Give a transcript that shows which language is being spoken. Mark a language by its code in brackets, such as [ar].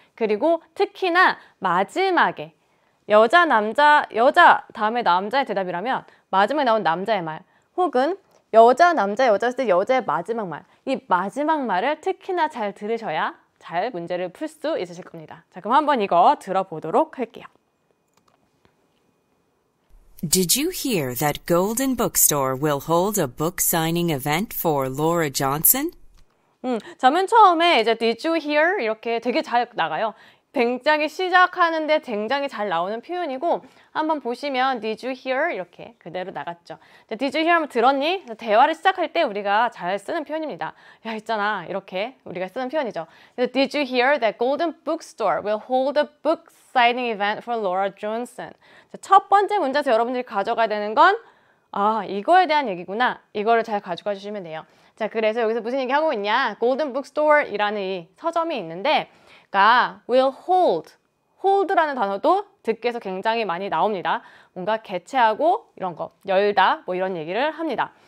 [ko] 그리고 특히나 마지막에 여자 남자 여자 다음에 남자의 대답이라면 마지막에 나온 남자의 말 혹은 여자 남자 여자였을 때 여자의 마지막 말 이 마지막 말을 특히나 잘 들으셔야 잘 문제를 풀 수 있으실 겁니다. 자 그럼 한번 이거 들어보도록 할게요. [en] Did you hear that Golden Bookstore will hold a book signing event for Laura Johnson? [ko] 자, 맨 처음에 이제 [en] Did you hear? [ko] 이렇게 되게 잘 나가요. 굉장히 시작하는데 굉장히 잘 나오는 표현이고 한번 보시면 [en] Did you hear? [ko] 이렇게 그대로 나갔죠. 자, [en] Did you hear? [ko] 하면 들었니? 대화를 시작할 때 우리가 잘 쓰는 표현입니다. 야, 있잖아. 이렇게 우리가 쓰는 표현이죠. [en] 그래서 Did you hear that Golden Bookstore will hold a book signing event for Laura Johnson? [ko] 자, 첫 번째 문제에서 여러분들이 가져가야 되는 건 아, 이거에 대한 얘기구나. 이거를 잘 가져가 주시면 돼요. 자, 그래서 여기서 무슨 얘기 하고 있냐? Golden Bookstore 이라는 이 서점이 있는데 가 [en] will hold. [ko] hold라는 단어도 듣기에서 굉장히 많이 나옵니다. 뭔가 개최하고 이런 거, 열다 뭐 이런 얘기를 합니다.